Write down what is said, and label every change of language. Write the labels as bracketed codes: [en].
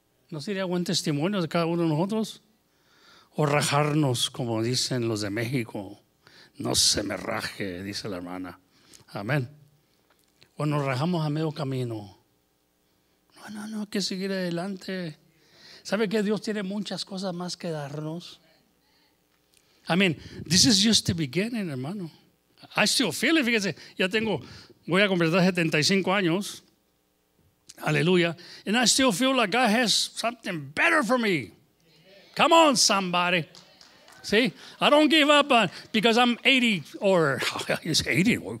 [es] ¿No sería buen testimonio de cada uno de nosotros? O rajarnos, como dicen los de México. No se me raje, dice la hermana. Amén. O nos rajamos a medio camino. No, hay que seguir adelante. ¿Sabe que Dios tiene muchas cosas más que darnos? Amén. [en] This is just the beginning, hermano. I still feel it, fíjense. [es] Ya tengo, voy a completar 75 años. Aleluya. [en] And I still feel like God has something better for me. Come on, somebody. See, I don't give up because I'm 80 or it's 80.